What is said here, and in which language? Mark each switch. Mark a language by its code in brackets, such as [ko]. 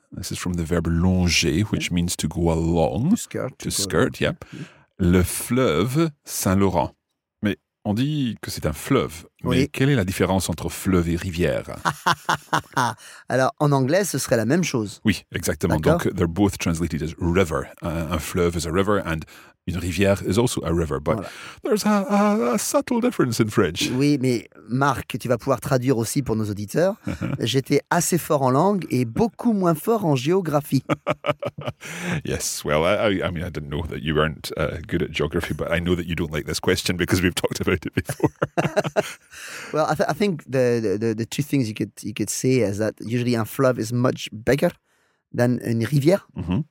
[en] This is from the verb longer, which means to go along. To skirt, [fr] yep. Le fleuve Saint-Laurent. Mais on dit que c'est un fleuve, Mais oui. Quelle est la différence entre fleuve et rivière? Alors, en anglais, ce serait la même chose. Oui, exactement. D'accord. Donc, [en] they're both translated as river. Un fleuve is a river and une rivière is also a river. But voilà. There's a subtle difference in French. [fr] Oui, mais Marc, tu vas pouvoir traduire aussi pour nos auditeurs. J'étais assez fort en langue et beaucoup moins fort en géographie. [en] Yes, well, I didn't know that you weren't good at geography, but I know that you don't like this question because we've talked about it before. Well, I think the two things you could say is that usually a fleuve is much bigger than une rivière. Mm-hmm.